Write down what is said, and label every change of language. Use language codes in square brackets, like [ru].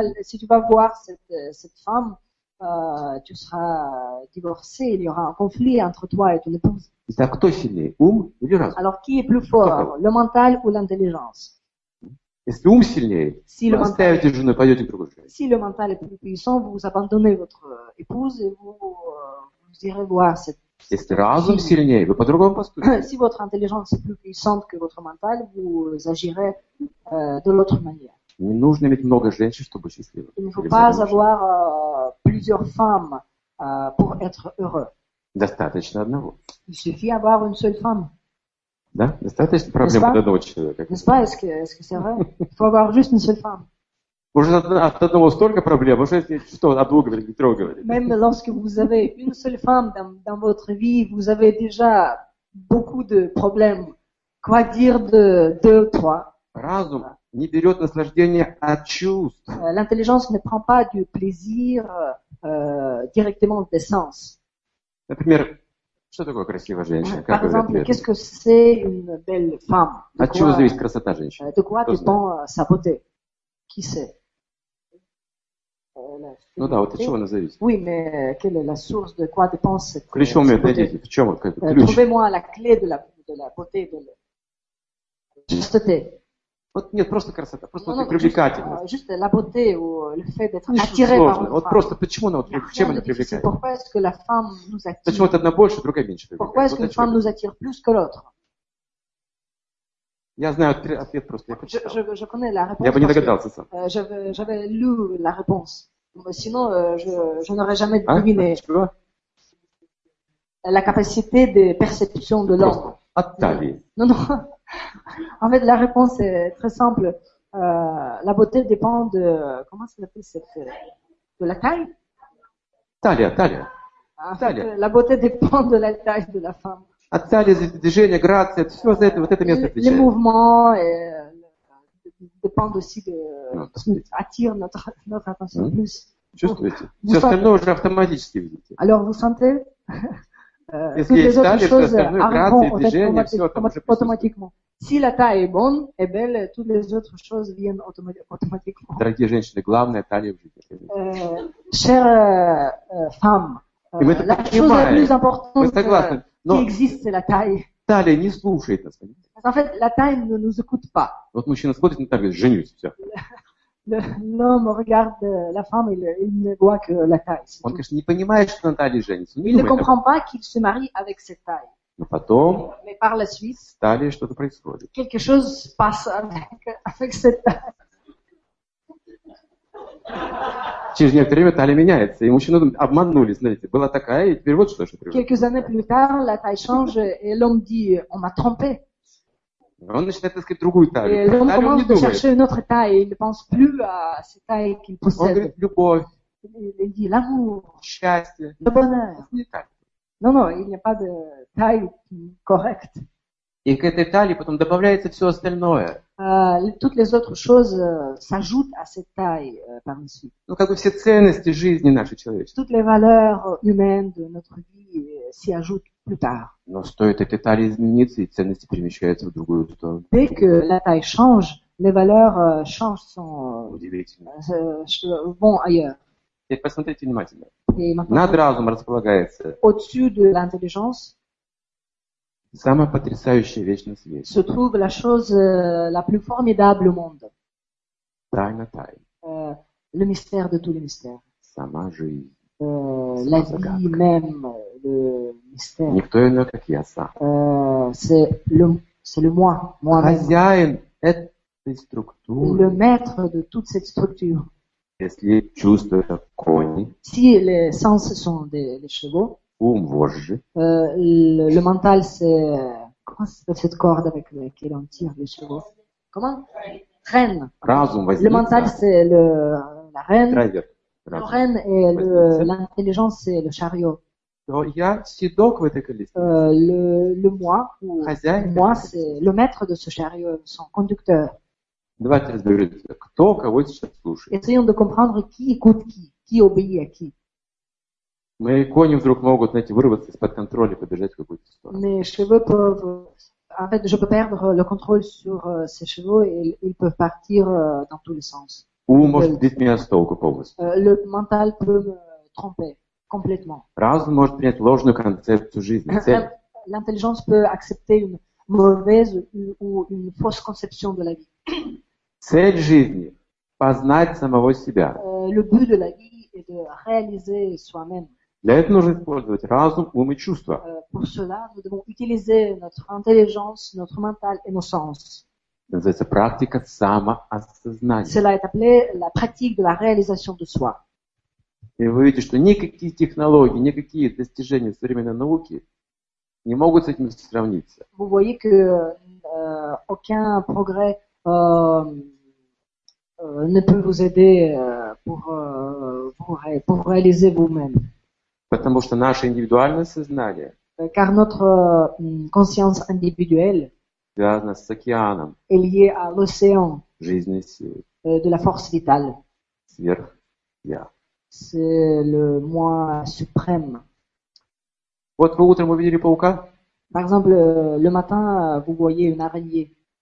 [fr] Si tu vas voir cette femme, tu seras divorcé, il y aura un conflit entre toi et ton épouse. [ru] Итак, кто сильнее, ум или разум? [fr] Alors, qui est plus fort, le mental ou l'intelligence? [ru] Если ум сильнее, [fr] si [ru] вы оставите жену, не пойдете к другой женщине. [fr] Si le mental est plus puissant, vous abandonnez votre épouse et vous, vous irez voir cette. [ru] Если разум сильнее, вы по-другому поступите. [fr] Si votre intelligence est plus puissante que votre mental, vous agirez de l'autre manière. [ru] Не нужно иметь много женщин, чтобы быть счастливым. [fr] Il ne faut pas avoir plusieurs femmes pour être heureux. [ru] Достаточно одного. [fr] Il suffit avoir une seule femme. [ru] Да, достаточно проблем для одного человека. Не знаю, если серьезно, [fr] il faut avoir juste une seule femme. [ru] Уже от одного столько проблем, уже что, от двух говорит, не трогай. [fr] Même lorsque vous avez une seule femme dans votre vie, vous avez déjà beaucoup de problèmes. Quoi dire de deux, trois? [ru] Разум не берет наслаждение от чувств. [fr] L'intelligence ne prend pas du plaisir directement des sens. [ru] Например, что такое красивая женщина? [fr] Par exemple, qu'est-ce que c'est une belle femme? [ru] От чего зависит красота женщины? [fr] De quoi dépend sa beauté? Qui c'est? [ru] Ну да, вот от чего она зависит? [fr] Oui, mais quelle est la source de quoi dépend cette beauté? [ru] Ключом ее найдите. В чем ключ? [fr] Trouvez-moi la clé de la beauté, de la chasteté. [ru] Вот нет, просто красота, просто вот привлекательность. [fr] Juste la beauté, le fait d'être attiré par une femme. [ru] Вот просто почему она вот, чем она привлекает? [fr] Pourquoi est-ce que la femme nous attire? [ru] Почему вот одна больше, другая меньше? [fr] Pourquoi est-ce que une femme nous attire plus que l'autre? [ru] Я знаю ответ просто. Я почитал. [fr] Je connais la réponse. [ru] Я бы не догадался сам. [fr] J'avais lu la réponse. Sinon, je n'aurais jamais deviné. La capacité de perception de l'homme. [ru] От талии. [fr] Non. En fait, la réponse est très simple. La beauté dépend de... Comment ça s'appelle cette... De la taille? Talia. La beauté dépend de la taille de la femme. [ru] От талии, за движение, грация, все за это, вот это место отвечает. [fr] Les mouvements dépendent aussi de... attire notre attention plus. [ru] Чувствуете? Все остальное уже автоматически видите. [fr] Alors, vous sentez... [ru] Если есть талия, то остальное грация и движение, все там уже автоматически. [fr] Si la taille est bonne et belle, toutes les autres choses viennent automatiquement. [ru] Дорогие женщины, главное талия в жизни. [fr] Chère femme, la chose la plus importante qui existe, c'est la taille. [ru] Талия не слушает нас. [fr] En fait, la taille ne nous écoute pas. [ru] Вот мужчина смотрит на талию, женюсь, все. [fr] L'homme regarde la femme et il ne voit que la taille. [ru] Он, конечно, не понимает, что на талии женится. [fr] Il ne comprend pas qu'il se marie avec cette taille. [ru] Но потом [fr] mais par la Suisse, [ru] в талии что-то происходит. [fr] Quelque chose passe avec cette taille. [ru] Через некоторое время талия меняется, и мужчину обманули, знаете, была такая, и теперь вот что же приводит. [fr] Quelques années plus tard, la taille change et l'homme dit, on m'a trompé. [ru] Он начинает искать другую талию. [fr] Et l'homme commence à chercher une autre taille, il ne pense plus à cette taille qu'il possède. [ru] Он говорит, любовь. [fr] Il dit, l'amour. [ru] Счастье. [fr] Le bonheur. Non, il n'y a pas de taille correcte. [ru] И к этой талии потом добавляется все остальное. [fr] Toutes les autres choses s'ajoutent à cette taille par ici. [ru] Ну, как бы все ценности жизни нашей человеческой. [fr] Toutes les valeurs humaines de notre vie s'y ajoutent plus tard. [ru] Но стоит этой талии измениться, и ценности перемещаются в другую сторону. [fr] Dès que la taille change, les valeurs changent, sont vont ailleurs. [ru] Теперь посмотрите внимательно. Над разумом располагается [fr] au-dessus de l'intelligence, [ru] самая потрясающая вещь на свете. [fr] Se trouve la chose la plus formidable au monde. [ru] Тайна тайн. [fr] Le mystère de tous les mystères. [ru] Сама жизнь. [fr] La vie même, le mystère. [ru] Никто иной, как я сам. [fr] C'est le moi, moi-même. [ru] Хозяин этой структуры. [fr] Le maître de toute cette structure. [ru] Если чувства это кони. [fr] Si les sens sont des chevaux. [ru] Ум вожжи. [fr] Le mental c'est comment s'appelle cette corde avec laquelle on tire les chevaux? Comment? Reine. [ru] Разум возьми. [fr] Le mental c'est la reine. Трайвер. Le reine et l'intelligence c'est le chariot. [ru] Donc, я седок в этой колесе. [fr] Le moi. [ru] Хозяин. [fr] Moi c'est le maître de ce chariot, son conducteur. [ru] Давайте разберемся, кто кого сейчас слушает. [fr] Essayons de comprendre qui écoute qui obéit à qui. [ru] Мои кони вдруг могут, знаете, вырваться из-под контроля, побежать в какую-то сторону. [fr] Mes chevaux peuvent, en fait, je peux perdre le contrôle sur ces chevaux et ils peuvent partir dans tous les sens. [ru] Ou может сбить меня с толку полностью. [fr] Le mental peut me tromper complètement. [ru] Разум может принять ложную концепцию жизни. [fr] L'intelligence peut accepter une mauvaise ou une fausse conception de la vie. [ru] Цель жизни – познать самого себя. [fr] Le but de la vie est de réaliser soi-même. [ru] Для этого нужно использовать разум, ум и чувства. [fr] Pour cela, nous devons utiliser notre intelligence, notre mental et nos sens. [ru] Это называется практика самоосознания. [fr] Cela est appelé la pratique de la réalisation de soi. [ru] И вы видите, что никакие технологии, никакие достижения современной науки не могут с этим сравниться. [fr] Vous voyez que aucun progrès ne peut vous aider pour réaliser vous-même. [ru] Потому что наше индивидуальное сознание. [fr] Car notre conscience individuelle. [ru] Связано с океаном. [fr] Est lié à l'océan. [ru] Жизненной силы. [fr] De la force vitale. [ru] Сверх я. [fr] C'est le moi suprême. [ru] Вот вы утром увидели паука? [fr] Par exemple, le matin, vous voyez une araignée.